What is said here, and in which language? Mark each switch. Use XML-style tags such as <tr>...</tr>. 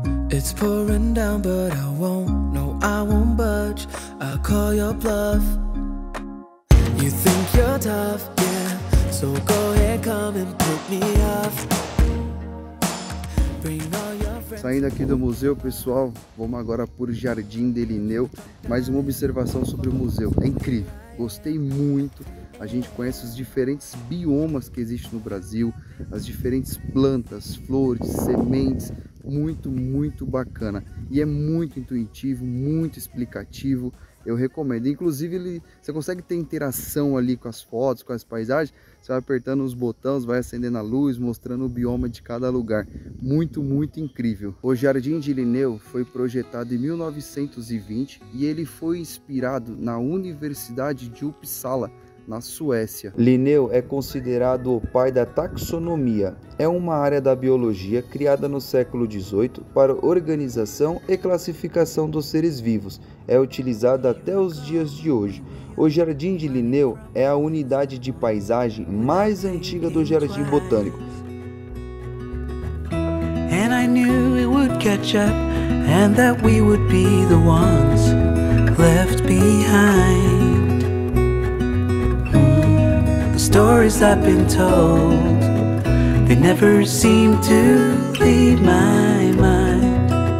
<en>It's pouring down, but I won't, no, I won't budge. I call your bluff. You think you're tough, yeah, so go ahead, come and put me off.</en> <pt>Saindo aqui do museu, pessoal, vamos agora por Jardim de Lineu. Mais uma observação sobre o museu, é incrível, gostei muito. A gente conhece os diferentes biomas que existem no Brasil, as diferentes plantas, flores, sementes. Muito, muito bacana. E é muito intuitivo, muito explicativo. Eu recomendo. Inclusive, você consegue ter interação ali com as fotos, com as paisagens. Você vai apertando os botões, vai acendendo a luz, mostrando o bioma de cada lugar. Muito, muito incrível. O Jardim de Lineu foi projetado em 1920 e ele foi inspirado na Universidade de Uppsala, na Suécia. Lineu é considerado o pai da taxonomia. É uma área da biologia criada no século XVIII para organização e classificação dos seres vivos. É utilizada até os dias de hoje. O Jardim de Lineu é a unidade de paisagem mais antiga do Jardim Botânico.</pt> <en>And I knew it would catch up and that we would be the ones left behind. Stories I've been told, they never seem to leave my mind.</en>